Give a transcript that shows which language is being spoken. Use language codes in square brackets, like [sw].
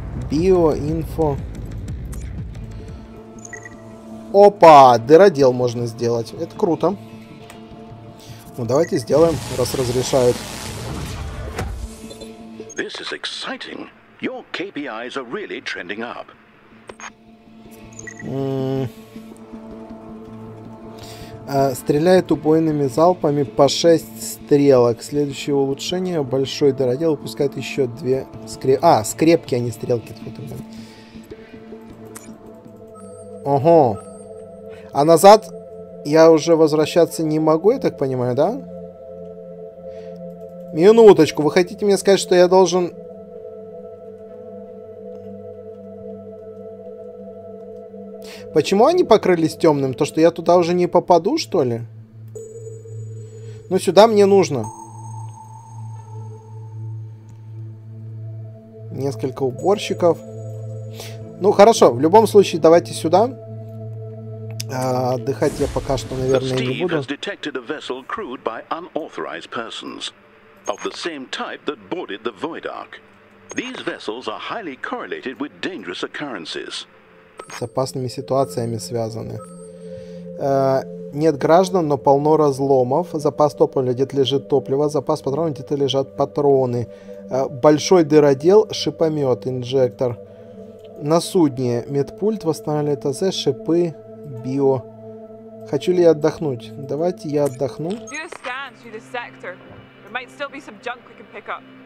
[ru] Био, инфо. Опа, дыродел можно сделать. Это круто. Ну давайте сделаем, раз разрешают. [en] This is exciting. Your KPIs are really trending up. [ru] Стреляет убойными залпами по 6 стрелок. Следующее улучшение. Большой дородел выпускает еще 2 скрепки. А, скрепки, а не стрелки. Ого. А назад я уже возвращаться не могу, я так понимаю, да? Минуточку, вы хотите мне сказать, что я должен... Почему они покрылись темным? То, что я туда уже не попаду, что ли? Ну, сюда мне нужно. Несколько уборщиков. Ну, хорошо, в любом случае, давайте сюда. Отдыхать я пока что, наверное, не [en] Steve has [ru] буду. [en] detected a vessel crewed by unauthorized persons of the same type that boarded the Void Ark. These vessels are highly correlated with dangerous occurrences. [ru] С опасными ситуациями связаны. Нет граждан, но полно разломов. Запас топлива, где-то лежит топливо. Запас патронов, где-то лежат патроны. Большой дыродел, шипомет, инжектор. На судне, медпульт, восстанавливает АЗ, шипы, био. Хочу ли я отдохнуть? Давайте я отдохну. [en] Do a scan through the sector. There might still be some junk we can pick up.